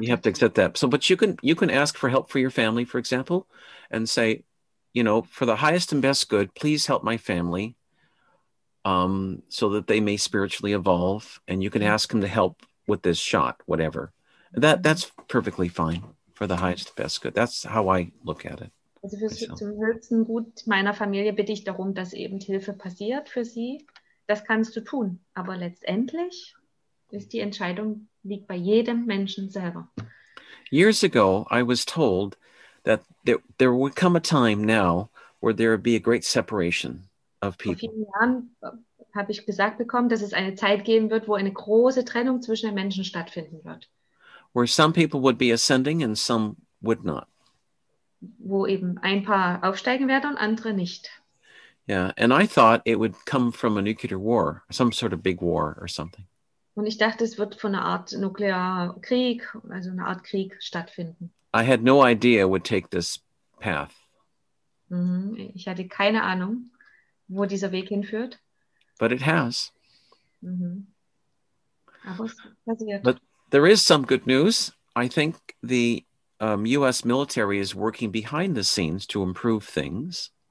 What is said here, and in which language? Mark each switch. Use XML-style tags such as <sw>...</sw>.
<en>You have to accept that. So, but you can ask for help for your family, for example, and say, you know, for the highest and best good, please help my family, so that they may spiritually evolve. And you can ask them to help with this shot, whatever. That's perfectly fine for the highest best good. That's how I look at it.</en> <de>Also zum höchsten Gut meiner Familie bitte ich darum, dass eben Hilfe passiert für sie. Das kannst du tun. Aber letztendlich ist die Entscheidung liegt bei jedem Menschen selber.</de> <en>Years ago, I was told that there would come a time now where there would be a great separation of people.</en> <de>Vor vielen Jahren habe ich gesagt bekommen, dass es eine Zeit geben wird, wo eine große Trennung zwischen den Menschen stattfinden wird.</de> <en>Where some people would be ascending and some would not.</en> <de>Wo eben ein paar aufsteigen werden und andere nicht.</de> <en>Yeah, and I thought it would come from a nuclear war, some sort of big war or something.</en> <de>Und ich dachte, es wird von einer Art Nuklearkrieg, also einer Art Krieg stattfinden.</de> <en>I had no idea it would take this path.</en> <de>Ich hatte keine Ahnung, wo dieser Weg hinführt.</de> <en>But it has. Mm-hmm. But there is some good news. I think the U.S. military is working behind the scenes to improve things.</en>